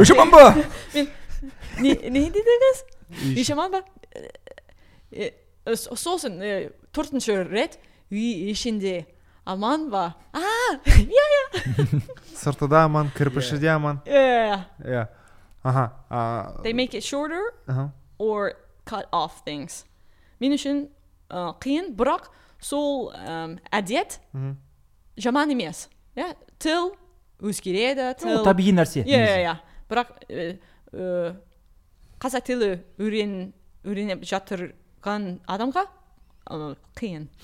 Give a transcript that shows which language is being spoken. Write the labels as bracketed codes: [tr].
[kk] Үй шаман ба? Мен... Не дедіңіз? Үй шаман ба? Сосын, төртінші рет, үй ішінде аман ба? Иә. Сырты да аман, кірпіші де аман. Иә. Аха. [en] They make it shorter or cut off things. [kk] Мен үшін қиын, бірақ сол әдет жаман емес. Тіл өзгереді. Ол табиғи нәрсе. Иә. Бірақ қазақ тілі үйреніп жатыр. Қан адамға қиын.